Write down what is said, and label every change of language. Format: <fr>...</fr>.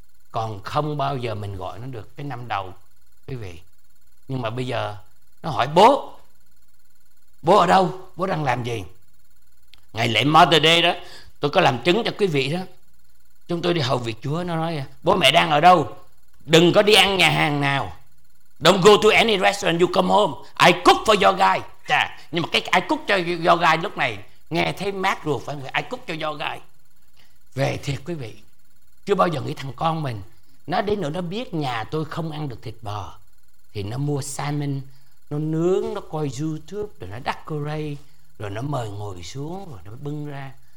<vi>Còn không bao giờ mình gọi nó được cái năm đầu quý vị. Nhưng mà bây giờ nó hỏi: bố, bố ở đâu, bố đang làm gì? Ngày lễ Mother Day đó, tôi có làm chứng cho quý vị đó, chúng tôi đi hầu việc Chúa, nó nói: bố mẹ đang ở đâu, đừng có đi ăn nhà hàng nào.</vi> <en>Don't go to any restaurant, you come home, I cook for your guy.</en> <vi>Nhưng mà cái</vi> <en>I cook</en> <vi>cho</vi> <en>your guy</en> <vi>lúc này nghe thấy mát ruột phải không? I cook cho your guy. Về thiệt quý vị, chưa bao giờ nghĩ thằng con mình, nó đến nữa nó biết nhà tôi không ăn được thịt bò, thì nó mua salmon, nó nướng, nó coi YouTube, rồi nó decorate, rồi nó mời ngồi xuống, rồi nó bưng ra.</vi>